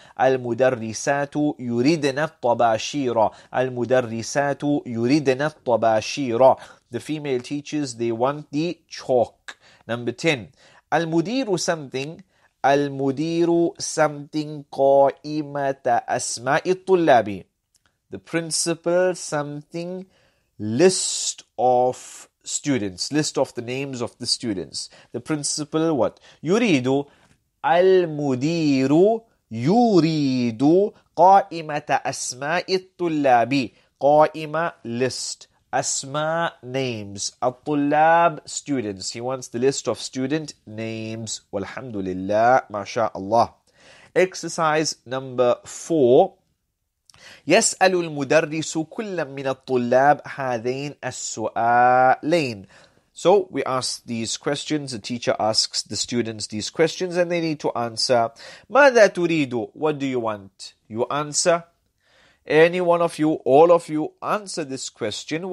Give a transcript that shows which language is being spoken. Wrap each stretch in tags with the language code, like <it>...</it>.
<ar>المدرسات يريدنا الطباشير. المدرسات يريدنا الطباشير.</ar> <en>The female teachers, they want the chalk. Number 10.</en> <ar>المدير something. المدير something قائمة أسماء الطلاب.</ar> <en>The principal something list of students, list of the names of the students. The principal what?</en> <ar>يريد. المدير يريد قائمة أسماء الطلاب. قائمة list. أسماء names. الطلاب students.</ar> <en>He wants the list of student names.</en> <ar>والحمد لله ما شاء الله.</ar> <en>Exercise number 4.</en> <ar>يسأل المدرس كل من الطلاب هذين السؤالين.</ar> <en>So we ask these questions. The teacher asks the students these questions and they need to answer.</en> <ar>ماذا تريد?</ar> <en>What do you want? You answer. Any one of you, all of you, answer this question.</en>